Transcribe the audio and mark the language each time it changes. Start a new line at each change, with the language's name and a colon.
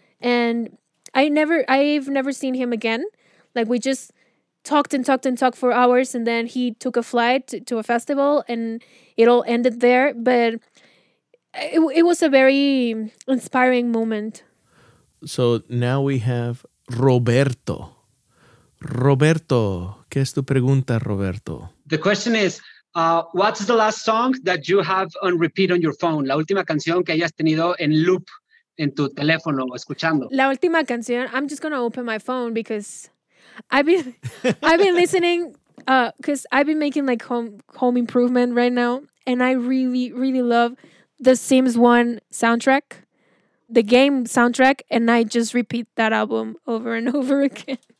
English: And I've never seen him again. We just talked and talked and talked for hours. And then he took a flight to a festival and it all ended there. But it was a very inspiring moment. So now we have Roberto.
Spanish: Roberto, ¿qué es tu pregunta, Roberto?
English: The question is, what's the last song that you have on repeat on your phone?
Spanish: La última canción que hayas tenido en loop en tu teléfono escuchando. La última canción.
English: I'm just gonna open my phone because I've been listening because I've been making home improvement right now, and I really really love the Sims 1 soundtrack, the game soundtrack, and I just repeat that album over and over again.